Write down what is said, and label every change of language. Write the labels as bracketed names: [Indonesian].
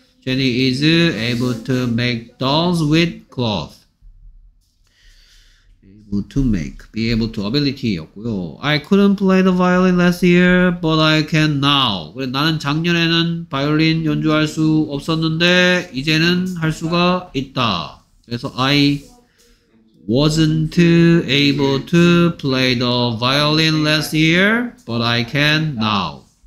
[English] Jenny is able to make dolls with cloth. To make, be able to, ability였고요. I couldn't play the violin last year, but I can now. [Korean] 그래, 나는 작년에는 바이올린 연주할 수 없었는데 이제는 할 수가 있다. [English] 그래서 I wasn't able to play the violin last year, but I can now.